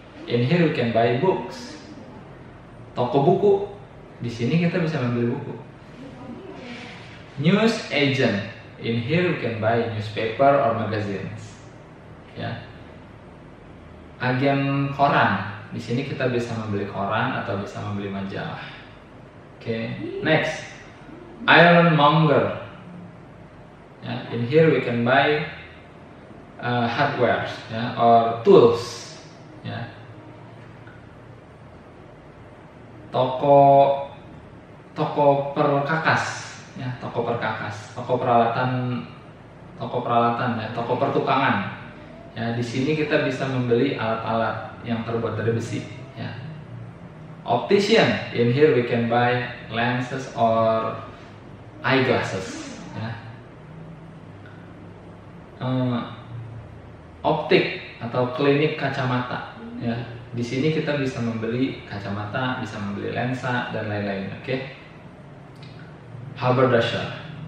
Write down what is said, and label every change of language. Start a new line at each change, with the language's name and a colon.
English: In here you can buy books.
Indonesian: Toko buku. Di sini kita bisa membeli buku. News agent.
English: In here you can buy newspaper or magazines.
Indonesian: Ya. Agen koran. Di sini kita bisa membeli koran atau bisa membeli majalah.
English: Okay. Next, ironmonger. Ya. In here we can buy hardware, ya, or tools. Ya.
Indonesian: Toko perkakas, ya, toko perkakas, toko peralatan, ya, toko pertukangan. Ya, di sini kita bisa membeli alat-alat yang terbuat dari besi, ya.
English: Optician, in here we can buy lenses or eyeglasses, ya.
Indonesian: Optik atau klinik kacamata, ya. Di sini kita bisa membeli kacamata, bisa membeli lensa dan lain-lain, oke? Haberdasher.